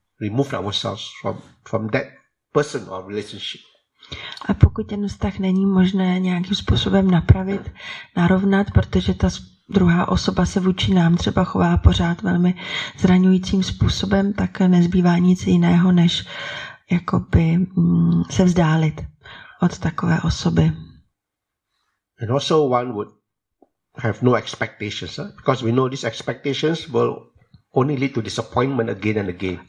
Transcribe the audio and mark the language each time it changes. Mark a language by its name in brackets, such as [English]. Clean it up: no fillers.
[English] Remove ourselves from that person or relationship. [Czech] A pokud ten vztah není možné nějakým způsobem napravit, narovnat, protože ta druhá osoba se vůči nám třeba chová pořád velmi zraňujícím způsobem, tak nezbývá nic jiného, než jakoby se vzdálit od takové osoby. [English] And also one would have no expectations, because we know these expectations will only lead to disappointment again and again.